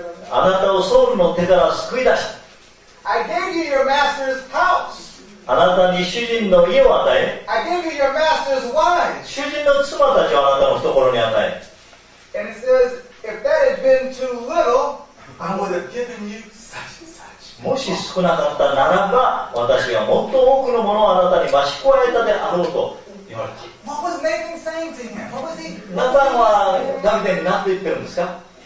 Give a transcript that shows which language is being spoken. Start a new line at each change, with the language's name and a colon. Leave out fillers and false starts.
Japanese: あなたをソウルの手から救い出した。
English: I gave you your master's house.
Japanese: あなたに主人の家を与え。
English: I gave you your master's wife.
Japanese: 主人の妻たちをあなたの懐に与え。
English: And it says, if that had been too little, I would have given you such and such.
Japanese: もし少なかったならば、私がもっと多くのものをあなたに増し加えたであろうと。
English: What was Nathan saying to him? What was he?
Japanese: ナタンはダビデに何と言ってるんですか？